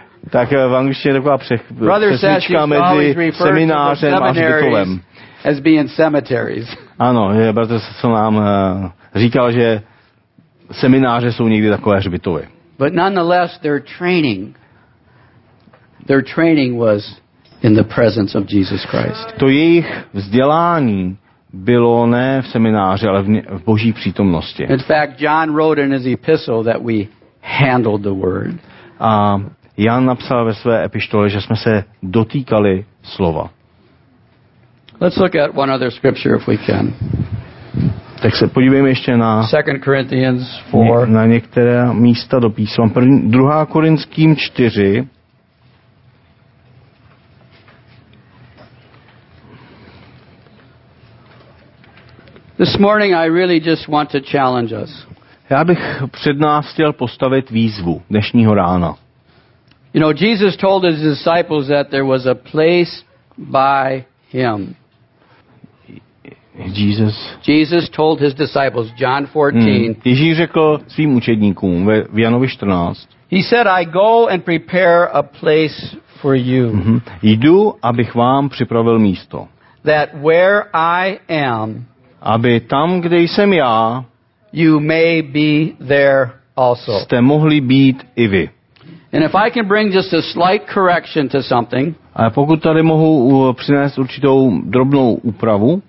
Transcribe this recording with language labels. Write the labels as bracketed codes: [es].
[cs] Tak v angličtině taková přesnička mezi seminářem a hřbitovem. [en] As being cemeteries. [cs] Ano, bratr se nám říkal, že semináře jsou někdy takové hřbitovy. [en] But nonetheless their training was in the presence of Jesus Christ. [cs] To jejich vzdělání bylo ne v semináři, ale v Boží přítomnosti. [en] In fact, John wrote in his epistle that we handled the word. [cs] A Jan napsal ve své epištole, že jsme se dotýkali slova. [en] Let's look at one other scripture if we can. [cs] Tak se podívejme ještě na [en] 2 Corinthians 4. [cs] Na některé místa do písma. 2. Korinským 4. [en] This morning I really just want to challenge us. [cs] Já bych před nás chtěl postavit výzvu dnešního rána. [en] You know, Jesus told his disciples that there was a place by him. Jesus told his disciples, John 14. [cs] Ježíš řekl svým učedníkům v Janovi 14. [en] He said, I go and prepare a place for you. [cs] Jdu, abych vám připravil místo. [en] That where I am, [cs] aby tam, kde jsem já, [en] you may be there also. [cs] Jste mohli být i vy. [en] And if I can bring just a slight correction to something, [cs] a pokud tady mohu přinést určitou drobnou úpravu,